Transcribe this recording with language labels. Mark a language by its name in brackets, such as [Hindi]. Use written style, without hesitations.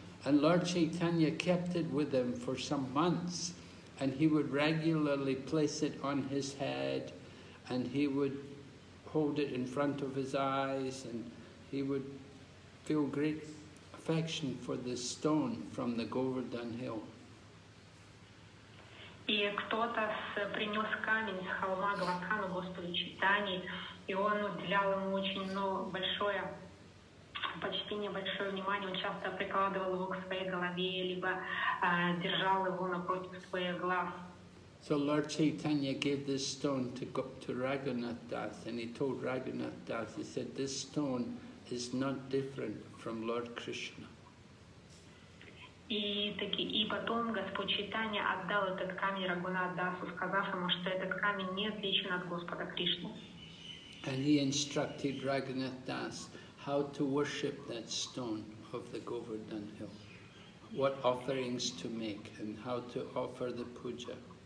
[English] And Lord Chaitanya kept it with him for some months and he would regularly place it on his head and he would hold it in front of his eyes, and he would feel great affection for this stone from the Govardhan Hill. [Russian] И кто-то принес камень с холма Гавакану Господу Читании, и он уделял ему очень много, большое, почти небольшое внимание. Он часто прикладывал его к своей голове, либо держал его напротив своих глаз. [English] So Lord Chaitanya gave this stone to Raghunath Das, and he told Raghunath Das, he said, this stone is not different from Lord Krishna. [Russian] И потом Господь Чайтанья отдал этот камень Рагхунатху Дасу, сказав ему, что этот камень не отличен от Господа Кришны. [English] And he instructed Raghunath Das how to worship that stone of the Govardhan Hill, what offerings to make and how to offer the puja.